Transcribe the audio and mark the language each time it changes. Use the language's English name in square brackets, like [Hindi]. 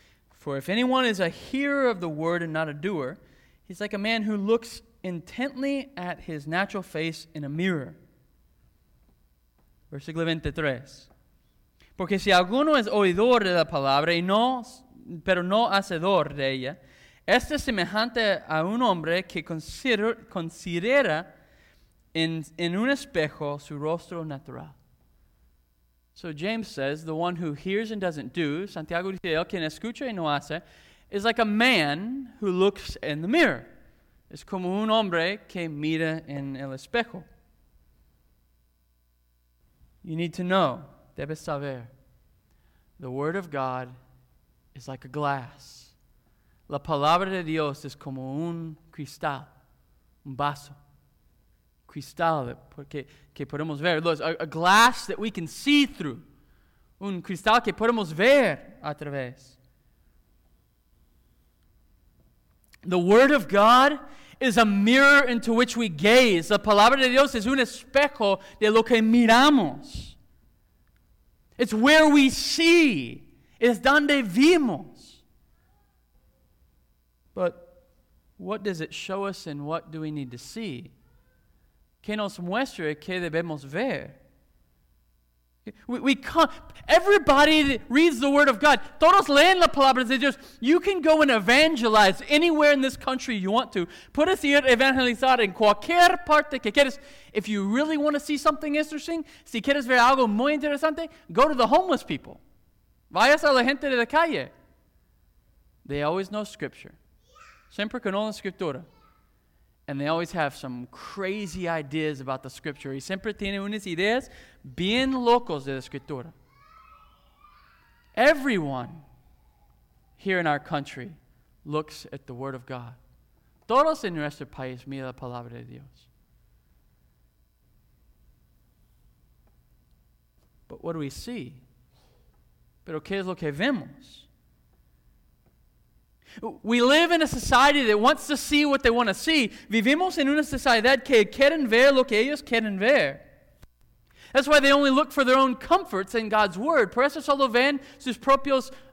[English] For if anyone is a hearer of the word and not a doer, he's like a man who looks intently at his natural face in a mirror. [Spanish] Versículo 23. Porque si alguno es oidor de la palabra y no, pero no hacedor de ella, este es semejante a un hombre que considera en un espejo su rostro natural. [English] So James says, the one who hears and doesn't do, [Spanish] Santiago dice, el quien escucha y no hace, [English] is like a man who looks in the mirror. [Spanish] Es como un hombre que mira en el espejo. [English] You need to know, [Spanish] debes saber, [English] the word of God is like a glass. [Spanish] La palabra de Dios es como un cristal, un vaso. Cristal que podemos ver. [English] A glass that we can see through. [Spanish] Un cristal que podemos ver a través. [English] The word of God is a mirror into which we gaze. [Spanish] La palabra de Dios es un espejo de lo que miramos. [English] It's where we see. [Spanish] Es donde vimos. [English] But what does it show us and what do we need to see? [Spanish] ¿Qué nos muestra y qué debemos ver? [English] We come, everybody reads the Word of God. [Spanish] Todos leen la palabra de Dios. [English] You can go and evangelize anywhere in this country you want to. [Spanish] Puedes ir evangelizar en cualquier parte que quieras. [English] If you really want to see something interesting, [Spanish] si quieres ver algo muy interesante, [English] go to the homeless people. [Spanish] Vayas a la gente de la calle. [English] They always know Scripture. [Spanish] Siempre con la Escritura. [English] And they always have some crazy ideas about the Scripture. [Spanish] Y siempre tienen unas ideas bien locos de la Escritura. [English] Everyone here in our country looks at the Word of God. [Spanish] Todos en nuestro país miran la Palabra de Dios. [English] But what do we see? [Spanish] Pero ¿qué es lo que vemos? [English] We live in a society that wants to see what they want to see. [Spanish] Vivimos en una sociedad que quieren ver lo que ellos quieren ver. [English] That's why they only look for their own comforts in God's Word. [Spanish] Por eso solo ven sus propios